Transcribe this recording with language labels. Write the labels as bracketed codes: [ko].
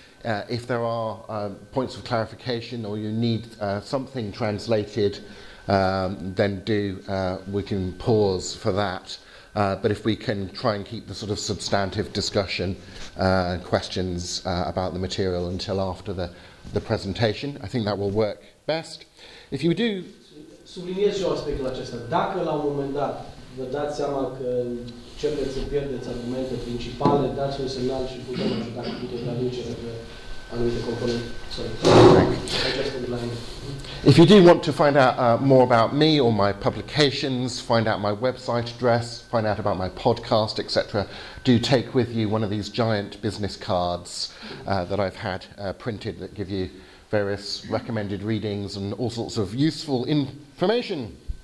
[en] If there are points of clarification or you need something translated, then we can pause for that. But if we can try and keep the sort of substantive discussion and questions about the material until after the presentation, I think that will work best. If you do... [ro] Subliniez și aspectul acesta. Dacă la un moment dat vă dați seama că începeți să pierdeți argumente principale, dați un semnal și putem ajuta cu putere traducere anumite componente. [en] If you do want to find out more about me or my publications, find out my website address, find out about my podcast, etc., do take with you one of these giant business cards that I've had printed that give you various recommended readings and all sorts of useful information.